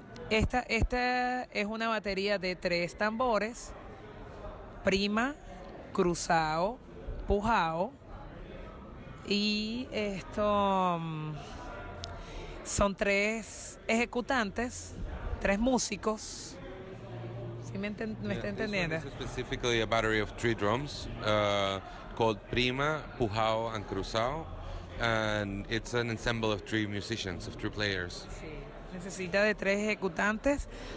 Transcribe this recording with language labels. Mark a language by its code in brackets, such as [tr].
[es] Esta es una batería de tres tambores: prima, cruzado, pujado, y esto son tres ejecutantes, tres músicos. ¿Sí me está entendiendo? [en] This is specifically a battery of three drums. Called prima, pujao, and cruzao, and it's an ensemble of three musicians, of three players. [es] Sí. Necesita de tres ejecutantes.